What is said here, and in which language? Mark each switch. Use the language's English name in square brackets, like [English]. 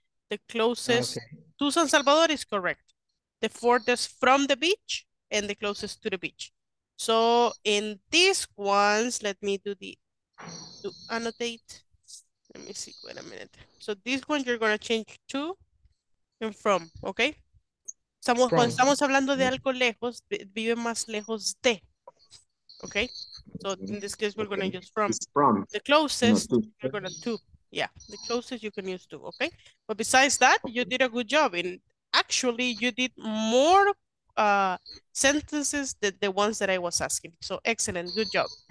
[English] The closest okay. to San Salvador is correct. The furthest from the beach and the closest to the beach. So in these ones, let me annotate. Let me see, wait a minute. So this one you're gonna change to and from, okay? [Spanish] Estamos hablando de algo lejos, vive más lejos de, okay? [English] So in this case, we're gonna use from. The closest, you're gonna to. Yeah, the closest you can use to, okay? But besides that, you did a good job in. Actually, you did more sentences than the ones that I was asking. So excellent, good job.